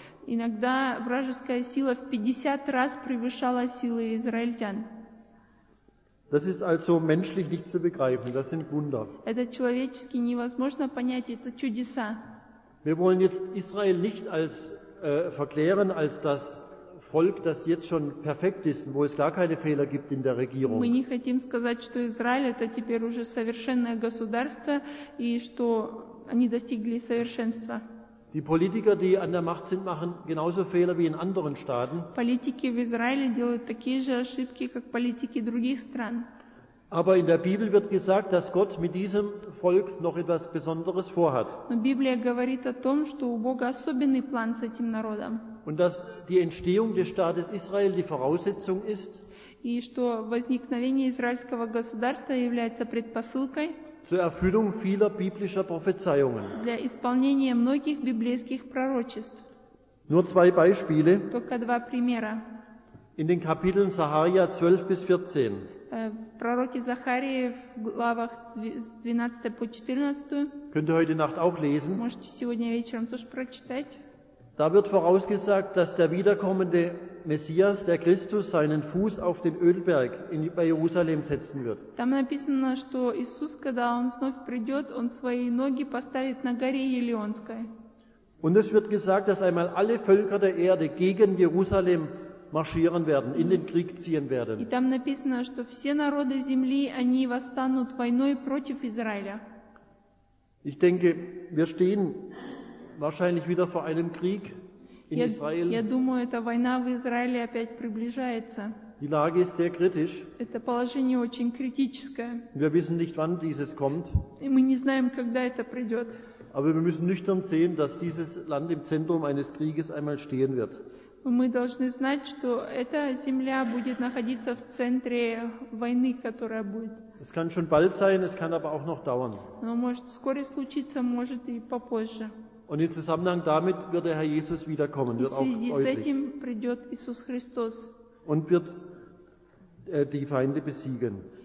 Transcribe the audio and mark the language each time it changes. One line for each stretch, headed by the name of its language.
Russian: Иногда вражеская сила в 50 раз превышала силы израильтян.
German: Das ist also menschlich nicht zu begreifen. Das sind Wunder.
Russian: Это человечески невозможно понять, это чудеса.
German: Wir wollen jetzt Israel nicht als verklären als das Volk, das jetzt schon perfekt ist, wo es gar keine Fehler gibt in der Regierung.
Russian: Мы не хотим сказать, что Израиль это теперь уже совершенное государство и что они достигли совершенства.
German: Die Politiker, die an der Macht sind, machen genauso Fehler wie in anderen Staaten.
Russian: Политики в Израиле делают такие же ошибки, как политики других стран.
German: Aber in der Bibel wird gesagt, dass Gott mit diesem Volk noch etwas Besonderes vorhat.
Russian: Но Библия говорит о том, что у Бога особенный план с этим народом.
German: Und dass die Entstehung des Staates Israel die Voraussetzung ist.
Russian: И что возникновение израильского государства является предпосылкой.
German: Zur Erfüllung vieler biblischer Prophezeiungen.
Russian: Для исполнения многих библейских пророчеств.
German: Nur zwei Beispiele.
Russian: Только два примера.
German: In den Kapiteln Sacharja 12 bis 14.
Russian: Пророки Захарии в главах 12 по 14.
German: Könnt ihr heute Nacht auch lesen.
Russian: Можете сегодня вечером тоже прочитать.
German: Da wird vorausgesagt, dass der wiederkommende Messias, der Christus, seinen Fuß auf den Ölberg bei Jerusalem setzen wird.
Russian: Там написано, что Иисус, когда он вновь придет, он свои ноги поставит на горе Елеонской.
German: Und es wird gesagt, dass einmal alle Völker der Erde gegen Jerusalem marschieren werden, in den Krieg ziehen werden.
Russian: И там написано, что все народы земли, они восстанут войной против Израиля.
German: Ich denke, wir stehen wahrscheinlich wieder vor einem Krieg in Israel.
Russian: Я думаю, эта война в Израиле опять приближается.
German: Die Lage ist sehr kritisch.
Russian: Это положение очень критическое.
German: Wir wissen nicht, wann dieses kommt.
Russian: И мы не знаем, когда это придет.
German: Aber wir müssen nüchtern sehen, dass dieses Land im Zentrum eines Krieges einmal stehen wird.
Russian: Мы должны знать, что эта земля будет находиться в центре войны, которая будет.
German: Es kann schon bald sein, es kann aber auch noch dauern.
Russian: Но может скоро случиться, может и попозже.
German: Und im Zusammenhang damit wird der Herr Jesus wiederkommen, wird auch deutlich. Und wird die Feinde besiegen.